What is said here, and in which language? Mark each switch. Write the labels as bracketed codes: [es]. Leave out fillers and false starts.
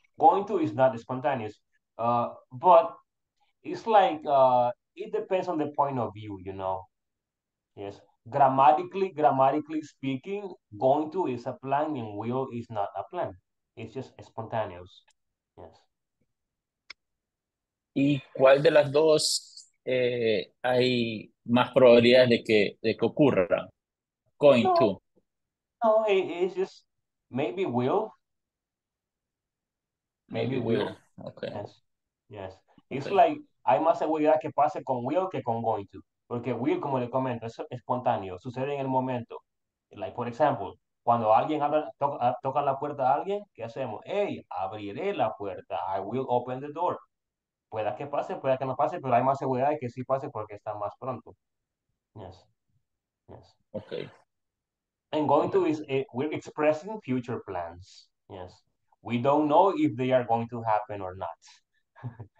[en] Going to is not spontaneous. But it's like, it depends on the point of view, you know. Yes. Grammatically speaking, going to is a plan and will is not a plan. It's just spontaneous. Yes. [es] ¿Y cuál de las dos hay más probabilidades de que ocurra? [en] Going to. No, it's just maybe will. Maybe will. Okay. Yes. It's okay. [es] Like hay más seguridad que pase con will que con going to. Porque will, como le comento, es espontáneo. Sucede en el momento. [en] Like, for example, [es] cuando alguien toca la puerta a alguien, ¿qué hacemos? Hey, abriré la puerta. [en] I will open the door. [es] Pueda que pase, pueda que no pase, pero hay más seguridad de que sí pase porque está más pronto. [en] Yes. Yes. Okay. And going to is, we're expressing future plans. Yes. We don't know if they are going to happen or not.